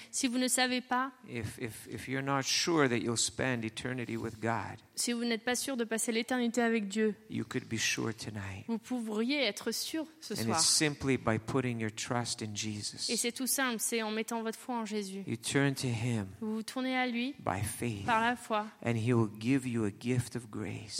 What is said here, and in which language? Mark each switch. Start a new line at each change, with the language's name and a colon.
French: Si vous ne savez pas.
English: If you're not sure that you'll spend eternity with God.
French: Si vous n'êtes pas sûr de passer l'éternité avec Dieu,
English: you could be sure tonight.
French: Vous pourriez être sûr ce
English: And
French: soir.
English: It's simply by putting your trust in Jesus.
French: Et c'est tout simple, c'est en mettant votre foi en Jésus.
English: You turn to him
French: vous vous tournez à lui
English: by faith,
French: par la foi.
English: And he will give you a gift of grace.